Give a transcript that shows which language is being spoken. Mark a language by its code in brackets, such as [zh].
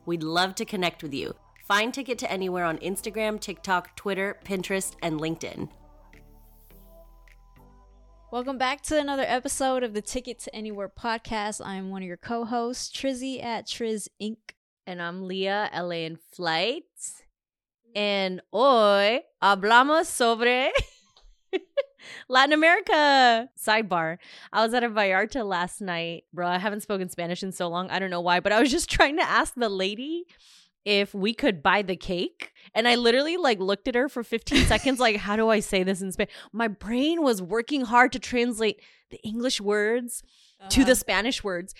[en] We'd love to connect with you. Find Ticket to Anywhere on Instagram, TikTok, Twitter, Pinterest, and LinkedIn. Welcome back to another episode of the Ticket to Anywhere podcast. I'm one of your co-hosts, Trizzy at Triz Inc. And I'm Leah, LA in flight. [es] And hoy hablamos sobre Latin America. [en] Sidebar, I was at a Vallarta last night. Bro, I haven't spoken Spanish in so long. I don't know why, but I was just trying to ask the lady if we could buy the cake. And I literally like looked at her for 15 seconds like, how do I say this in Spanish? My brain was working hard to translate the English words to the Spanish words.